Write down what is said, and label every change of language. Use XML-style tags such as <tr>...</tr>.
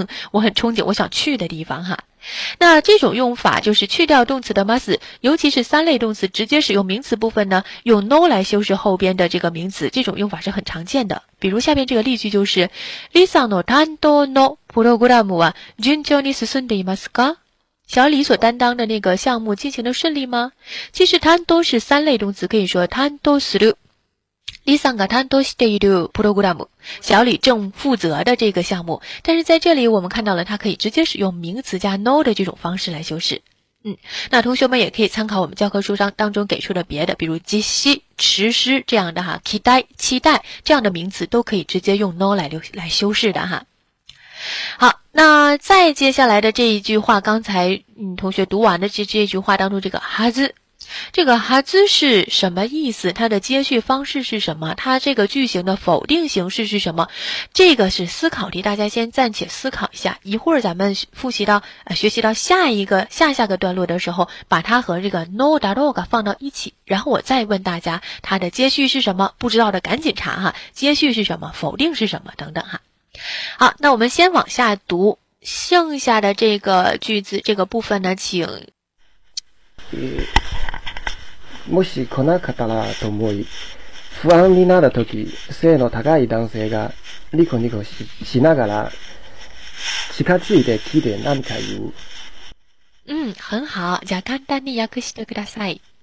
<zh>我很憧憬我想去的地方哈。那这种用法就是去掉动词的ます，尤其是三类动词直接使用名词部分呢，用 no 来修饰后边的这个名词，这种用法是很常见的。比如下面这个例句就是</zh> <ja>Lisa の担当のプログラムは順調に進んでいますか？</ja> <zh>小李所担当的那个项目进行的顺利吗？其实担当是三类动词，可以说担当する。</zh> <ja>李さんが担当しているプログラム，</ja> <zh>小李正负责的这个项目，但是在这里我们看到了它可以直接使用名词加 no 的这种方式来修饰。那同学们也可以参考我们教科书上当中给出的别的，比如実施、实施这样的哈，期待、期待这样的名词都可以直接用 no 来修饰的哈。好，那再接下来的这一句话，刚才同学读完的这句话当中，这个はず。这个哈兹是什么意思？它的接续方式是什么？它这个句型的否定形式是什么？这个是思考题，大家先暂且思考一下，一会儿咱们复习到学习到下个段落的时候，把它和这个 no だろうが放到一起，然后我再问大家它的接续是什么，不知道的赶紧查哈，接续是什么，否定是什么等等哈。好，那我们先往下读剩下的这个句子这个部分呢，请</zh> <ja>もし来なかったらと思い、不安になるとき、背の高い男性がニコニコ しながら近づいて聞いて何か言う。</ja> <zh>很好。</zh> <ja>じゃあ簡単に訳してください。</ja>